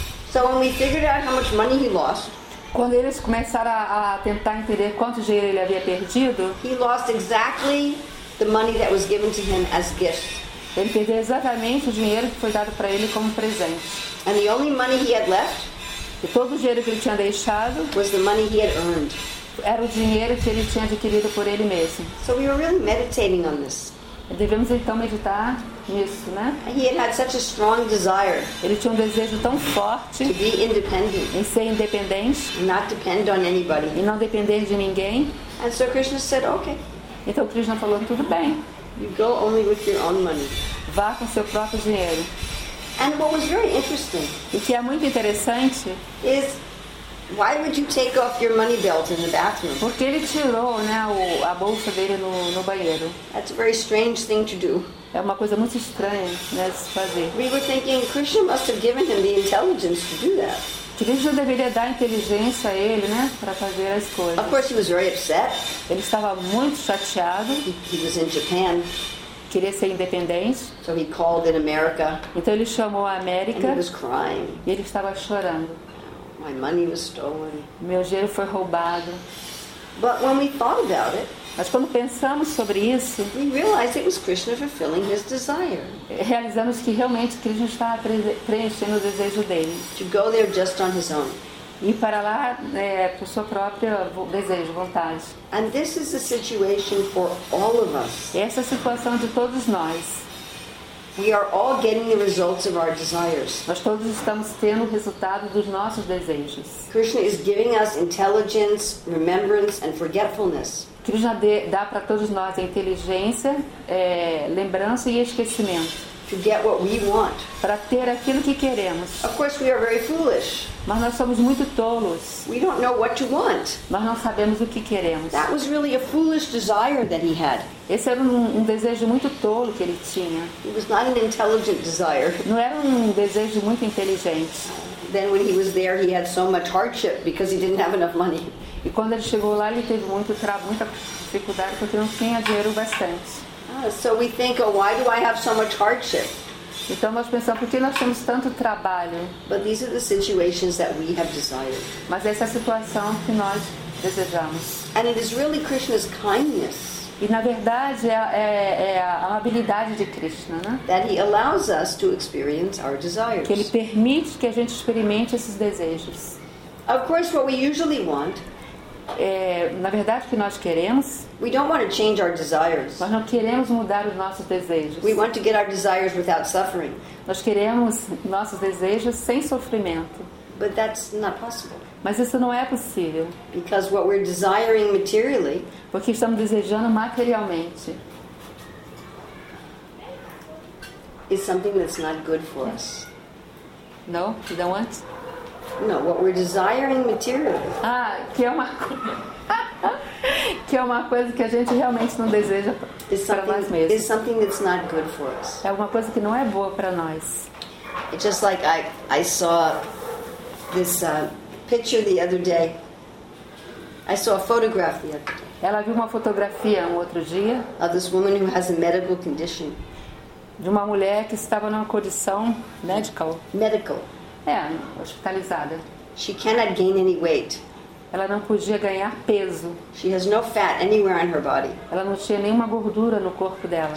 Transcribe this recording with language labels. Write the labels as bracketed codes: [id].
[en] So when we figured out how much money he lost, [pt] quando eles começaram a tentar entender quanto dinheiro ele havia perdido, [en] he lost exactly the money that was given to him as gift. [pt] Ele perdeu exatamente o dinheiro que foi dado para ele como presente. [en] And the only money he had left, [pt] e todo o dinheiro que ele tinha deixado, [en] was the money he had earned. [pt] Era o dinheiro que ele tinha adquirido por ele mesmo. [en] So we were really meditating on this. [pt] Devemos então meditar nisso, né? [en] He had had such a strong desire. [pt] Ele tinha um desejo tão forte [en] to be independent, [pt] em ser independente, [en] not depend on anybody, [pt] e não depender de ninguém. [en] And so Krishna said, okay. [pt] Então Krishna falou, tudo bem. [en] You go only with your own money. [pt] Vá com seu próprio dinheiro. [en] And what was very interesting, [pt] e que é muito interessante, [en] is why would you take off your money belt in the bathroom? [pt] Porque ele tirou, né, a bolsa dele no banheiro. [en] That's a very strange thing to do. [pt] É uma coisa muito estranha, né, de se fazer. [en] We were thinking Krishna must have given him the intelligence to do that. [pt] Krishna deveria dar inteligência a ele, né, para fazer as coisas. [en] Of course he was very upset. [pt] Ele estava muito chateado. [en] He was in Japan. [pt] Queria ser independente. [en] So he called in America. [pt] Então ele chamou a América. [en] And he was crying. [pt] E ele estava chorando. [en] My money was stolen. [pt] Meu dinheiro foi roubado. [en] But when we thought about it, [pt] mas quando pensamos sobre isso, [en] we realized it was Krishna fulfilling his desire. [pt] Realizamos que realmente Krishna estava preenchendo o desejo dele. [en] To go there just on his own. [pt] E para lá por sua própria desejo, vontade. [en] And this is the situation for all of us. [pt] Essa é a situação de todos nós. [en] We are all getting the results of our desires. [pt] Nós todos estamos tendo o resultado dos nossos desejos. [en] Krishna is giving us intelligence, remembrance and forgetfulness. [pt] Krishna dá para todos nós a inteligência, lembrança e esquecimento. [en] To get what we want. [pt] Para ter aquilo que queremos. [en] Of course we are very foolish. [pt] Mas nós somos muito tolos. [en] We don't know what to want. [pt] Nós não sabemos o que queremos. [en] That was really a foolish desire that he had. [pt] Esse era um desejo muito tolo que ele tinha. [en] It was not an intelligent desire. [pt] Não era um desejo muito inteligente. [en] Then when he was there he had so much hardship because he didn't have enough money. [pt] E quando ele chegou lá ele teve muita dificuldade porque não tinha dinheiro bastante. [en] So we think, oh, why do I have so much hardship? [pt] Então nós pensamos, por que nós temos tanto trabalho? [en] But these are the situations that we have desired. [pt] Mas essa é a situação que nós desejamos. [en] And it is really Krishna's kindness. [pt] E na verdade é a amabilidade de Krishna, né? [en] That he allows us to experience our desires. [pt] Que ele permite que a gente experimente esses desejos. [en] Of course, what we usually want. [pt] Na verdade, o que nós queremos, [en] we don't want to change our desires. [pt] Nós não queremos mudar os nossos desejos. [en] We want to get our desires without suffering. [pt] Nós queremos nossos desejos sem sofrimento. [en] But that's not possible. [pt] Mas isso não é possível. [en] Because what we're desiring materially, [pt] porque estamos desejando materialmente, [en] is something that's not good for us. No, you don't want? No, what we're desiring materially. [pt] que é uma coisa que a gente realmente não deseja para nós mesmos. [en] Is something that's not good for us. [pt] É alguma coisa que não é boa para nós. [en] It's just like I saw this picture the other day. I saw a photograph the other day. [pt] Ela viu uma fotografia um outro dia. [en] Of this woman who has a medical condition. [pt] De uma mulher que estava numa condição medical. [en] Medical. [pt] Hospitalizada. [en] She cannot gain any weight. [pt] Ela não podia ganhar peso. [en] She has no fat anywhere on her body. [pt] Ela não tinha nenhuma gordura no corpo dela.